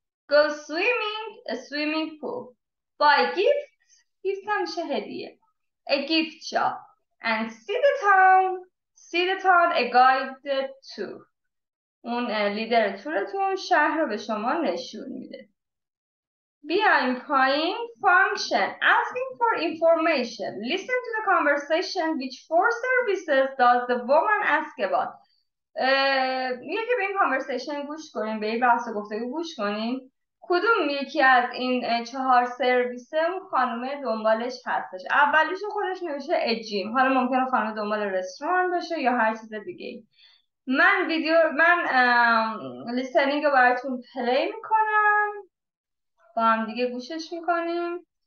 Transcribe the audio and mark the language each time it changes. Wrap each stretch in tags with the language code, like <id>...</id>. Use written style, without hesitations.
<en>Go swimming, a swimming pool. Buy gifts, gifts</en> <fa>هم میشه هدیه.</fa> <en>A gift shop. And see the town, a guided tour.</en> <fa>اون لیدر تورتون شهر رو به شما نشون میده. بیاین پایین.</fa> <en>Function, asking for information. Listen to the conversation, which four services does the woman ask about.</en> <fa>میگه که به این کانورسیشن گوش کنیم، به این بحث و گفتگو گوش کنیم، کدوم یکی از این چهار سرویس خانومه دنبالش هستش. اولیش خودش نوشه اجیم، حالا ممکنه خانومه دنبال رستوران باشه یا هر چیز دیگه. من ویدیو، من لیسنینگ رو براتون پلی میکنم، با هم دیگه گوشش میکنیم.</fa>